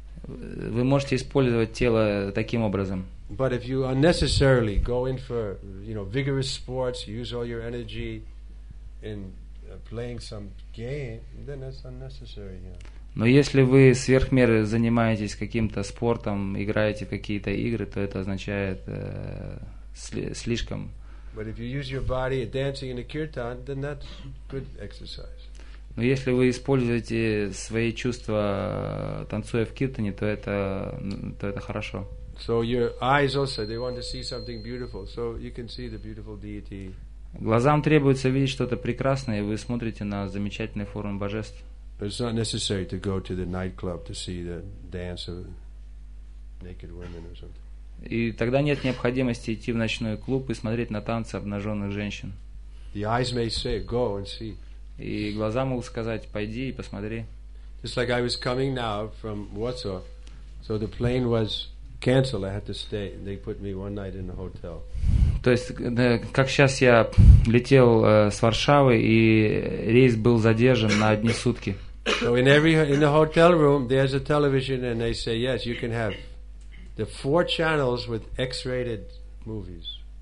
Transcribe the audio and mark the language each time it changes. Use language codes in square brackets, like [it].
[ru] Вы можете использовать тело таким образом. [en] But if you unnecessarily go in for, vigorous sports, use all your energy in playing some game, then that's unnecessary. Yeah. [ru] Но если вы сверх меры занимаетесь каким-то спортом, играете в какие-то игры, то это означает слишком [en] But if you use your body dancing in a kirtan, then that's good exercise. [ru] Но если вы используете свои чувства, танцуя в киртане, то это хорошо. [en] So your eyes also, they want to see something beautiful, so you can see the beautiful deity. [ru] Глазам требуется видеть что-то прекрасное, и вы смотрите на замечательные формы божеств. [en] But it's not necessary to go to the nightclub to see the dance of naked women or something. [ru] И тогда нет необходимости идти в ночной клуб и смотреть на танцы обнаженных женщин. [en] The eyes may say, go and see. [ru] И глаза могут сказать, пойди и посмотри. [en] Just like I was coming now from Warsaw, so the plane was canceled. I had to stay. They put me one night in a hotel. [ru] То есть, как сейчас я летел с Варшавы, и рейс был задержан на одни сутки. [en] So in the hotel room, there's a television, and they say, yes, you can have the four channels with X-rated movies.